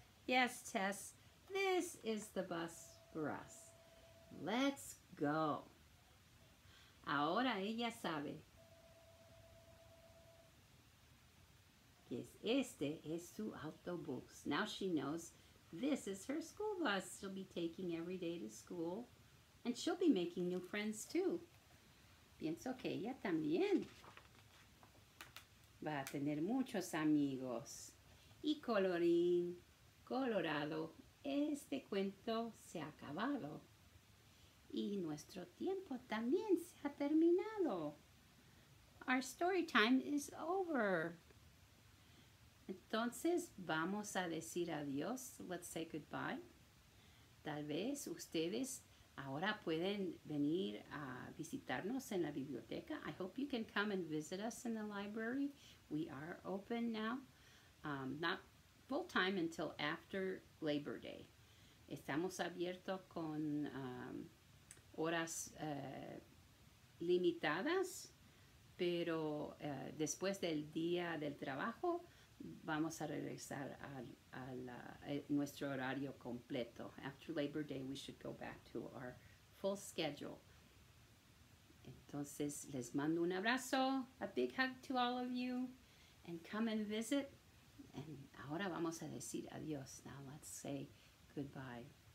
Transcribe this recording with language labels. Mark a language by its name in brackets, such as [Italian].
[English] Yes, Tess, this is the bus for us. Let's go. [Spanish] Ahora ella sabe que este es su autobús. [English] Now she knows this is her school bus she'll be taking every day to school. And she'll be making new friends too. [Spanish] Pienso que ella también va a tener muchos amigos. Y colorín colorado, este cuento se ha acabado. Y nuestro tiempo también se ha terminado. [English] Our story time is over. [Spanish] Entonces, vamos a decir adiós. [English] Let's say goodbye. [Spanish] Tal vez ustedes ahora pueden venir a visitarnos en la biblioteca. [English] I hope you can come and visit us in the library. We are open now, not full time until after Labor Day. [Spanish] Estamos abiertos con horas limitadas, pero después del día del trabajo vamos a regresar a nuestro horario completo. [English] After Labor Day, we should go back to our full schedule. [Spanish] Entonces, les mando un abrazo, [English] a big hug to all of you, and come and visit. And [Spanish] ahora vamos a decir adiós. [English] Now let's say goodbye.